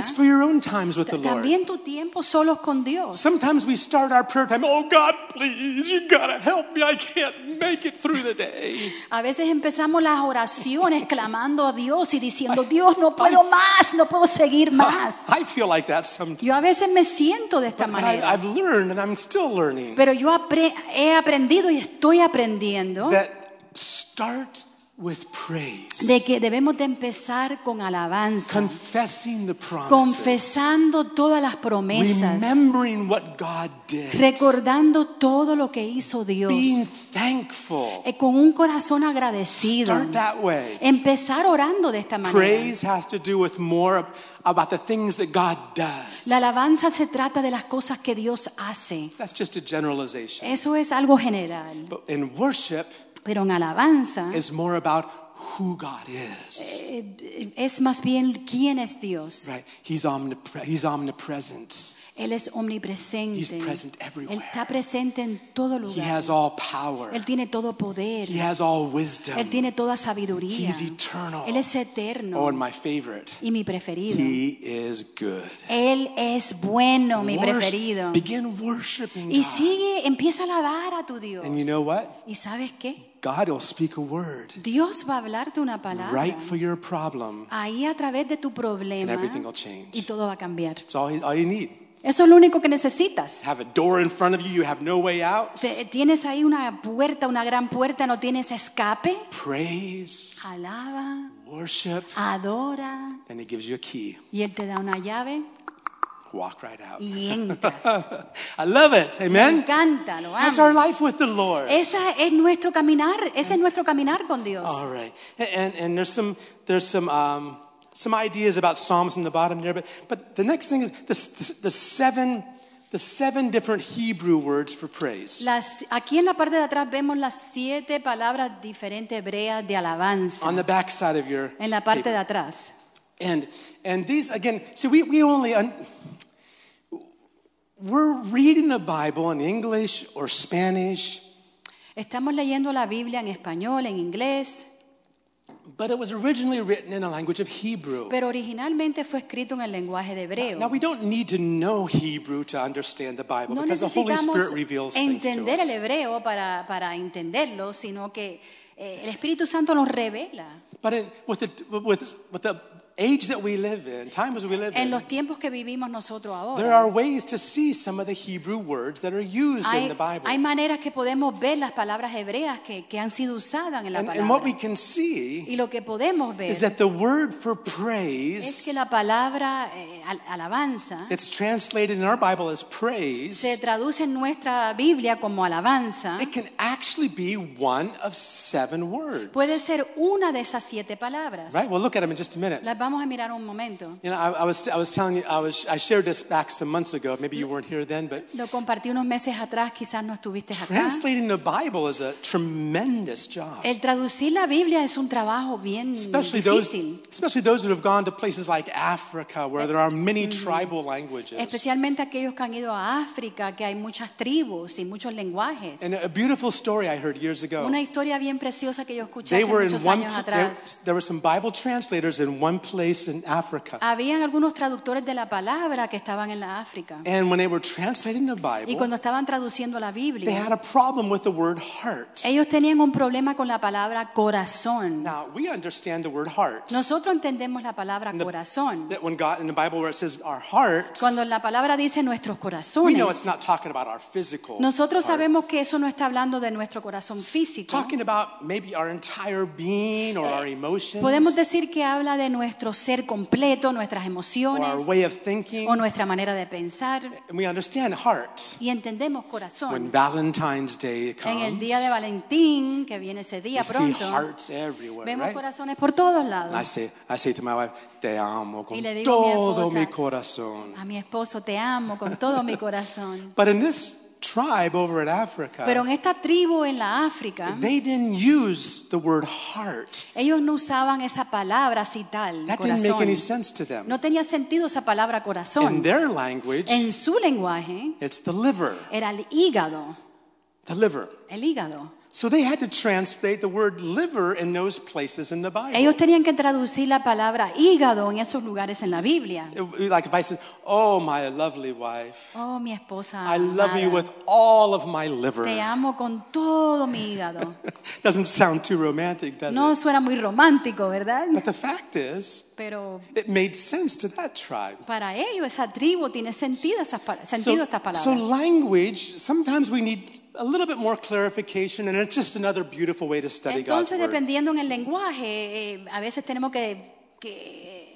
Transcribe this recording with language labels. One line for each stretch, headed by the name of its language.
English: It's for your own times with the Lord.
Spanish: También tu tiempo solos con Dios.
English: Sometimes we start our prayer time, "Oh God, please, you gotta help me. I can't make it through the day."
Spanish: A veces empezamos las oraciones clamando a Dios y diciendo, "Dios, no puedo más, no puedo seguir más."
English: I feel like that sometimes.
Spanish: Yo a veces me siento de esta manera.
English: I've learned and I'm still learning.
Spanish: Pero yo he aprendido y estoy aprendiendo.
English: That start with praise.
Spanish: De que debemos de empezar con alabanza.
English: Confessing the promises.
Spanish: Confesando todas las promesas.
English: Remembering what God did.
Spanish: Recordando todo lo que hizo Dios.
English: Being thankful.
Spanish: Con un corazón agradecido.
English: Start that way.
Spanish: Empezar orando de esta manera.
English: Praise has to do with more about the things that God does.
Spanish: La alabanza se trata de las cosas que Dios hace.
English: That's just a generalization.
Spanish: Eso es algo general.
English: But in worship,
Spanish: pero en alabanza,
English: is more about who God is.
Spanish: Es más bien quién es Dios.
English: Right. He's omnipresent.
Spanish: Él es omnipresente.
English: He's present everywhere.
Spanish: Él está presente en todo lugar.
English: He has all power.
Spanish: Él tiene todo poder.
English: He has all wisdom.
Spanish: Él tiene toda sabiduría.
English: He's eternal.
Spanish: Él es eterno.
English: Oh, and my favorite.
Spanish: Y mi preferido.
English: He is good.
Spanish: Él es bueno, mi preferido.
English: Begin worshiping God.
Spanish: Y sigue, empieza a alabar a tu Dios.
English: And you know what?
Spanish: ¿Y sabes qué?
English: God will speak a word.
Spanish: Dios va a hablarte una palabra.
English: Right for your problem.
Spanish: Ahí a través de tu problema.
English: And everything will change.
Spanish: Y todo va a cambiar.
English: It's all you need.
Spanish: Eso es lo único que necesitas.
English: Have a door in front of you, you have no way out.
Spanish: Tienes ahí una puerta, una gran puerta, no tienes escape.
English: Praise.
Spanish: Alaba.
English: Worship.
Spanish: Adora.
English: Then He gives you a key.
Spanish: Y Él te da una llave.
English: Walk right out.
Spanish: Y entras.
English: I love it. Amen.
Spanish: Me encanta, lo amo.
English: That's our life with the Lord.
Spanish: Esa es nuestro caminar. Ese es nuestro caminar con Dios.
English: All right. And there's some ideas about Psalms in the bottom there, but the next thing is the seven different Hebrew words for praise.
Spanish: Aquí en la parte de atrás vemos las siete palabras diferentes hebreas de alabanza.
English: On the back side of your
Spanish: en la parte
English: paper.
Spanish: De atrás.
English: And these again, see, we're reading the Bible in English or Spanish.
Spanish: Estamos leyendo la Biblia en español, en inglés.
English: But it was originally written in a language of Hebrew.
Spanish: Pero originalmente fue escrito en el lenguaje de hebreo.
English: Now we don't need to know Hebrew to understand the Bible,
Spanish: no,
English: because the Holy Spirit reveals things to us.
Spanish: Entender el hebreo para entenderlo, sino que el Espíritu Santo nos revela.
English: But with the age that we live in, time as we live
Spanish: en los tiempos que vivimos nosotros ahora,
English: there are ways to see some of the Hebrew words that are used in the Bible.
Spanish: Hay maneras que podemos ver las palabras hebreas que han sido usadas en la palabra.
English: And what we can see
Spanish: y lo que podemos ver
English: is that the word for praise
Spanish: es que la palabra alabanza
English: it's translated in our Bible as praise
Spanish: se traduce en nuestra Biblia como alabanza
English: it can actually be one of seven words.
Spanish: Puede ser una de esas siete palabras.
English: Right, we'll look at them in just a minute.
Spanish: Las vamos a mirar un momento.
English: You know, I was telling you, I shared this back some months ago. Maybe you weren't here then, but
Spanish: lo compartí unos meses atrás, quizás no estuviste acá.
English: Translating the Bible is a tremendous job.
Spanish: El traducir la Biblia es un trabajo bien
English: especially
Spanish: difícil.
English: Especially those who have gone to places like Africa, where there are many tribal languages.
Spanish: Especialmente aquellos que han ido a África, que hay muchas tribus y muchos lenguajes.
English: And a beautiful story I heard years ago.
Spanish: Una historia bien preciosa que yo escuché
English: they
Spanish: hace
English: were in
Spanish: muchos
English: one,
Spanish: años atrás.
English: There were some Bible translators in one place in Africa.
Spanish: Habían algunos traductores de la palabra que estaban en la África.
English: And when they were translating the Bible,
Spanish: y cuando estaban traduciendo la Biblia,
English: they had a problem with the word heart.
Spanish: Ellos tenían un problema con la palabra corazón.
English: Now we understand the word heart.
Spanish: Nosotros entendemos la palabra corazón.
English: That when God in the Bible where it says our heart,
Spanish: cuando la palabra dice nuestros corazones,
English: we know it's not talking about our physical.
Spanish: Nosotros
English: heart.
Spanish: Sabemos que eso no está hablando de nuestro corazón físico.
English: It's talking about maybe our entire being or our emotions.
Spanish: Podemos decir que habla de nuestro ser completo, nuestras emociones,
English: or our way of thinking,
Spanish: o nuestra manera de pensar.
English: And we understand heart.
Spanish: Y entendemos corazón.
English: When Valentine's Day comes,
Spanish: en el día de Valentín que viene ese día
English: we
Spanish: pronto,
English: see hearts everywhere,
Spanish: vemos
English: right?
Spanish: corazones por todos lados.
English: I say to my wife,
Spanish: te amo con y le digo todo a mi esposa, mi corazón. A mi esposo, te amo con todo mi corazón.
English: But in this tribe over in Africa.
Spanish: Pero en esta tribu en la África,
English: they didn't use the word heart.
Spanish: Ellos no usaban esa palabra así tal,
English: that
Spanish: corazón.
English: Didn't make any sense to them.
Spanish: No tenía sentido esa palabra corazón.
English: In their language,
Spanish: en su lenguaje,
English: it's the liver.
Spanish: Era el hígado.
English: The liver.
Spanish: El hígado.
English: So they had to translate the word liver in those places in the Bible.
Spanish: Ellos tenían que traducir la palabra hígado en esos lugares en la Biblia.
English: Like if I said, "Oh, my lovely wife."
Spanish: Oh, mi esposa.
English: I love you with all of my liver.
Spanish: Te amo con todo mi hígado.
English: Doesn't sound too romantic, does it?
Spanish: No suena muy romántico, ¿verdad?
English: But the fact is,
Spanish: pero
English: it made sense to that tribe.
Spanish: Para ellos esa tribu tiene sentido esas sentido estas palabras.
English: So language, sometimes we need a little bit more clarification, and it's just another beautiful way to study
Spanish: entonces,
English: God's word.
Spanish: Dependiendo en el lenguaje, a veces tenemos que